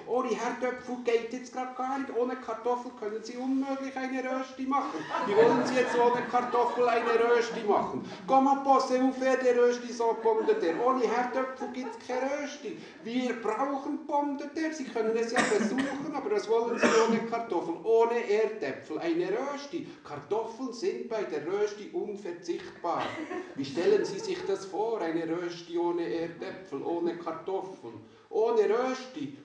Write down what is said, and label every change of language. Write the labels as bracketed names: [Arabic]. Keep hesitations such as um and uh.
[German] Ohne Herdöpfel geht jetzt gerade gar nicht. Ohne Kartoffel können Sie unmöglich eine Rösti machen. Wie wollen Sie jetzt ohne Kartoffel eine Rösti machen? [French] Comment pensez-vous faire des Rösti sans so pommes de terre? [German] Ohne Herdöpfel gibt es keine Rösti. Wir brauchen [French] pommes de terre. [German] Sie können es ja besuchen, aber das wollen Sie ohne Kartoffel. Ohne Erdäpfel eine Rösti. Kartoffeln sind bei der Rösti unverzichtbar. Wie stellen Sie sich das vor, eine Rösti ohne Erdäpfel, ohne Kartoffeln, ohne Rösti.